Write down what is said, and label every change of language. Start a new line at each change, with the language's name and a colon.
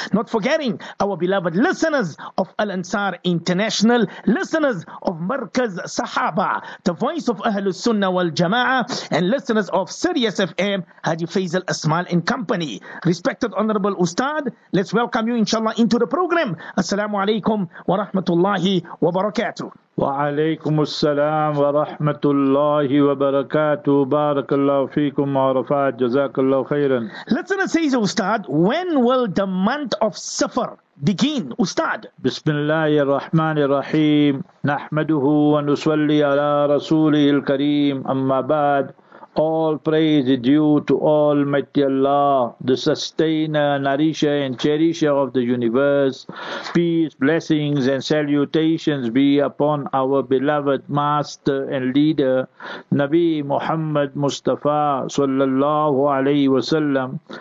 English: Not forgetting our beloved listeners of Al Ansar International, listeners of Markaz Sahaba, the voice of Ahlul Sunnah wal Jama'ah, and listeners of Sirius FM, Haji Faisal Asmal and Company. Respected Honorable Ustad, let's welcome you, inshallah, into the program.
Arabic: Assalamu alaikum wa rahmatullahi wa barakatuh. وعليكم السلام ورحمة الله وبركاته بارك الله فيكم عرفات جزاك الله خيرا.
English: Listen and say, Ustad, when will the month of Safar begin, Ustad?
Arabic: بسم الله الرحمن الرحيم نحمده ونصلي على رسوله الكريم أما بعد.
English: All praise is due to Almighty Allah, the sustainer, nourisher, and cherisher of the universe. Peace, blessings, and salutations be upon our beloved master and leader, Nabi Muhammad Mustafa sallallahu alayhi wa sallam.